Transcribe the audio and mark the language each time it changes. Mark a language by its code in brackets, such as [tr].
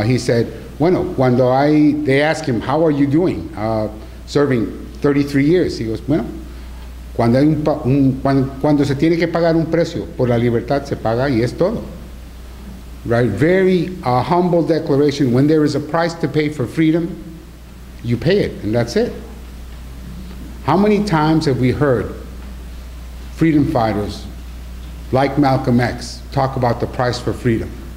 [en] He said, [es] bueno, cuando [en] I, they asked him, how are you doing, serving 33 years? He goes, [es] bueno, cuando, hay cuando se tiene que pagar un precio por la libertad, se paga y es todo. [en] Right, very humble declaration. When there is a price to pay for freedom, you pay it, and that's it. How many times have we heard freedom fighters like Malcolm X talk about the price for freedom?